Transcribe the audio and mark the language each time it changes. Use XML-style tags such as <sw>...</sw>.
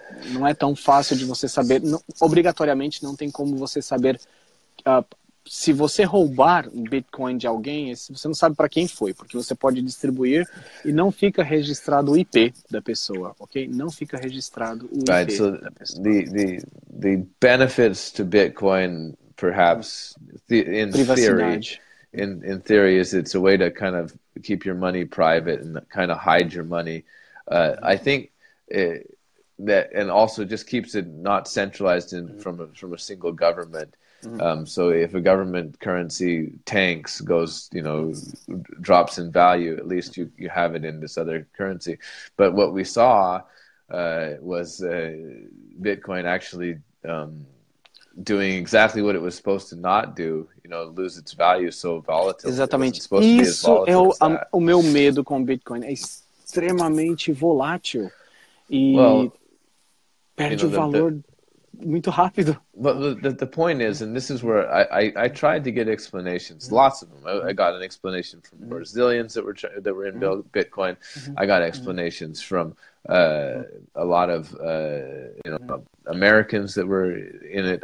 <pt>Não é tão fácil de você saber, obrigatoriamente não tem como você saber se você roubar um Bitcoin de alguém, você não sabe para quem foi, porque você pode distribuir e não fica registrado o IP da pessoa, ok? Não fica registrado o IP da pessoa.</pt> <en>The benefits to Bitcoin, perhaps, in theory, in theory, is it's a way to kind of keep your money private and kind of hide your money. I think that, and also just keeps it not centralized in from a single government. So if a government currency tanks, goes, you know, drops in value, at least you have it in this other currency. But what we saw was Bitcoin actually doing exactly what it was supposed to not do, you know, lose its value, so volatile.</en> <pt>Exatamente. Isso é o meu medo com Bitcoin. É extremamente volátil e perde o valor muito rápido.</pt> <en>But the point is, and this is where I tried to get explanations, lots of them. I got an explanation from Brazilians that were in Bitcoin. I got explanations from a lot of Americans that were in it.</en>